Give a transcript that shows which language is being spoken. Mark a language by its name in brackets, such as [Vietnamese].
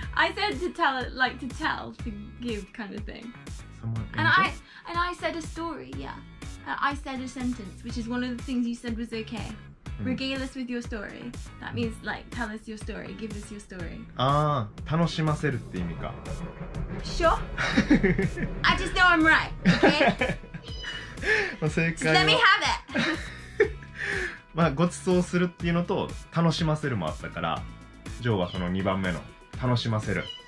[English] I said to tell, like to tell, to give kind of thing. Someone and I said a story, yeah. I said a sentence, which is one of the things you said was okay. Mm. Regale us with your story. That means like, tell us your story, give us your story. [Japanese] Ah, 楽しませるって意味か。 [English] Sure. I just know I'm right, okay? [Japanese] 正解は… [English] Just let me have it. [Japanese] まあ、ごちそうするっていうのと、楽しませるもあったから、ジョーはその2番目の楽しませる。